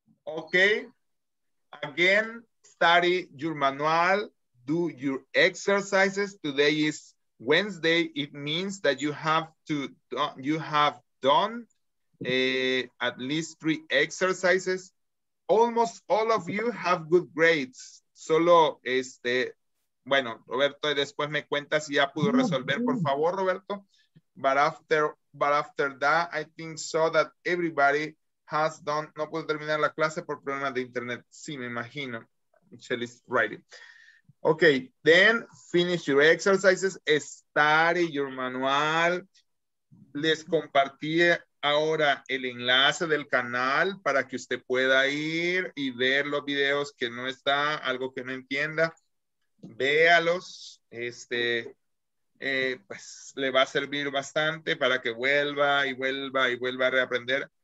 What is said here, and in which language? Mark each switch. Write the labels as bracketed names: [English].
[English] Okay, again, study your manual, do your exercises. Today is Wednesday. It means that you have done at least three exercises. Almost all of you have good grades. [Spanish] Solo este, bueno, Roberto, después me cuentas si ya pudo resolver, por favor, Roberto. [English] But after that, I think so that everybody has done, [Spanish] no puedo terminar la clase por problemas de internet. Sí, me imagino. [English] Michelle is writing. Okay, then finish your exercises, study your manual. [Spanish] Les compartí ahora el enlace del canal para que usted pueda ir y ver los videos que no está, algo que no entienda. Véalos, este, pues le va a servir bastante para que vuelva y vuelva y vuelva a reaprender.